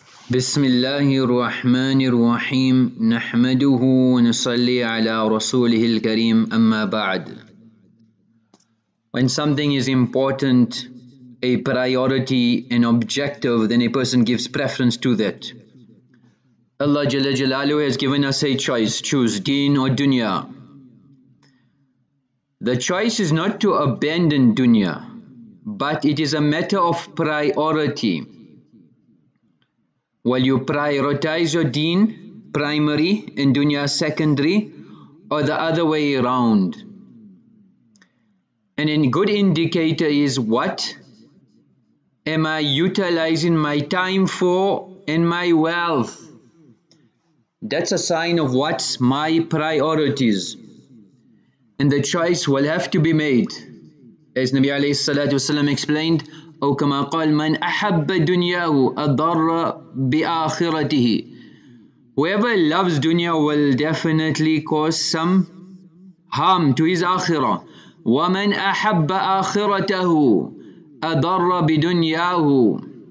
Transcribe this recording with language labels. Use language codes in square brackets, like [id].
[ar] بسم الله الرحمن الرحيم نحمده ونصلي على رسوله الكريم أما بعد. [en] When something is important, a priority, an objective, then a person gives preference to that. Allah Jalla Jalaluhu has given us a choice, choose Deen or Dunya. The choice is not to abandon Dunya, but it is a matter of priority. Will you prioritize your deen primary and dunya secondary, or the other way around? And a good indicator is, what am I utilizing my time for and my wealth? That's a sign of what's my priorities. And the choice will have to be made. As Nabi alayhi salatu wasalam explained, [ar] أو كما قال من أحب دنياه أضر بآخرته. [en] Whoever loves dunya will definitely cause some harm to his akhirah. [ar] ومن أحب آخرته أضر بدنياه.